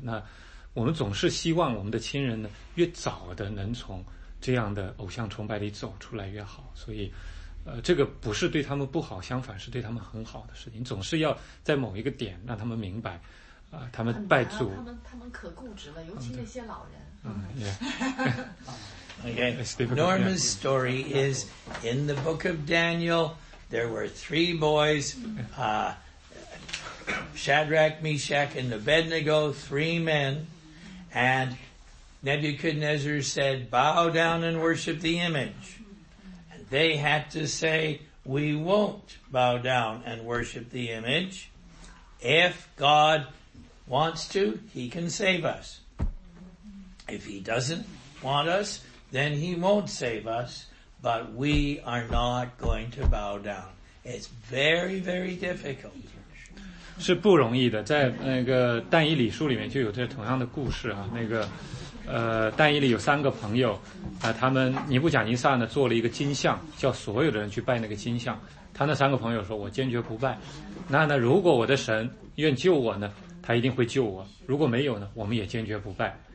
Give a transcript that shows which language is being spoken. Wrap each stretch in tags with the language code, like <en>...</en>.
<zh>那我们总是希望我们的亲人呢，越早的能从这样的偶像崇拜里走出来越好，所以这个不是对他们不好，相反是对他们很好的事情。总是要在某一个点让他们明白他们拜祖、他们可固执了，尤其那些老人。</zh> <en>Norma's story is in the book of Daniel, there were three boys, Shadrach, Meshach, and Abednego, three men, and Nebuchadnezzar said, bow down and worship the image. And they had to say, we won't bow down and worship the image. If God wants to, he can save us. If he doesn't want us, then he won't save us, but we are not going to bow down. It's very, very difficult.</en> <zh>是不容易的，在那个但以理书里面就有这同样的故事啊。那个，但以理有三个朋友，他们尼布甲尼撒呢做了一个金像，叫所有的人去拜那个金像。他那三个朋友说：“我坚决不拜。” 那呢，如果我的神愿救我呢，他一定会救我；如果没有呢，我们也坚决不拜。</zh>